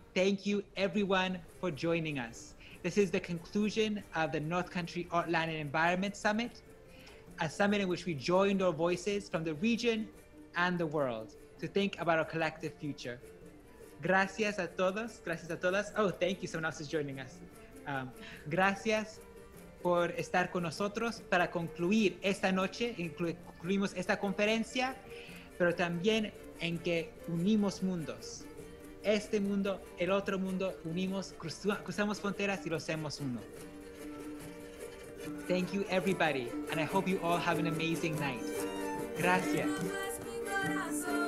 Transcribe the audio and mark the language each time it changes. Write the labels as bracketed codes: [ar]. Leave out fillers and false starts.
[en] Thank you everyone for joining us. This is the conclusion of the North Country Art, Land and Environment Summit, a summit in which we joined our voices from the region and the world to think about our collective future. [es] Gracias a todos, gracias a todas. [en] Oh, thank you, someone else is joining us. [es] Gracias por estar con nosotros para concluir esta noche, concluimos esta conferencia, pero también en que unimos mundos. Este mundo, el otro mundo, unimos, cruzamos fronteras y lo hacemos uno. [en] Thank you everybody, and I hope you all have an amazing night. Gracias.